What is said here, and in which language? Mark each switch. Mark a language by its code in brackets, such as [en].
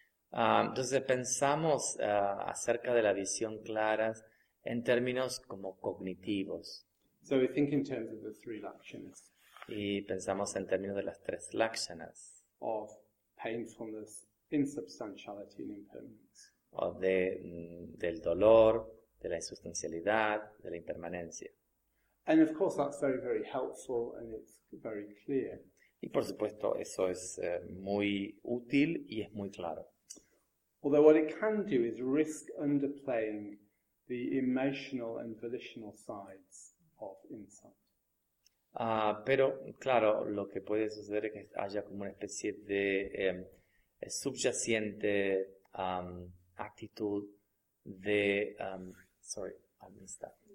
[es] Entonces pensamos acerca de la visión clara en términos como cognitivos. [en] So we think in terms of the three lakshanas. [es] Y pensamos en términos de las tres lakshanas. [en] Of painfulness, insubstantiality, and impermanence. [es] O del dolor, de la insustancialidad, de la impermanencia. [en] And of course, that's very, very helpful, and it's very clear. [es] Y por supuesto, eso es muy útil y es muy claro. [en] Although what it can do is risk underplaying the emotional and volitional sides of insight. [es] Pero claro, lo que puede suceder es que haya como una especie de subyacente actitud de [en] sorry, I missed that.